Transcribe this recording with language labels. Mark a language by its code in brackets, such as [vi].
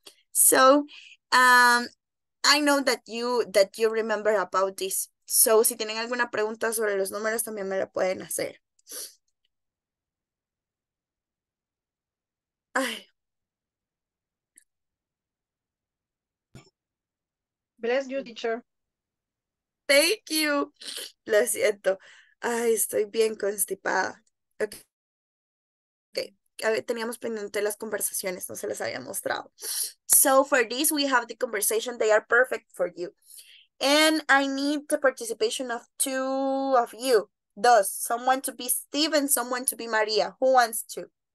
[en] So, I know that you remember about this. [es] So, si tienen alguna pregunta sobre los números, también me la pueden hacer. Ay. [en] Bless you, teacher. Thank you. [es] Lo siento. Ay, estoy bien constipada. Okay. A ver, teníamos pendiente las conversaciones, no se las había mostrado. [en] So for this, we have the conversation. They are perfect for you. And I need the participation of two of you. Dos. Someone to be Steve and someone to be Maria. Who wants to?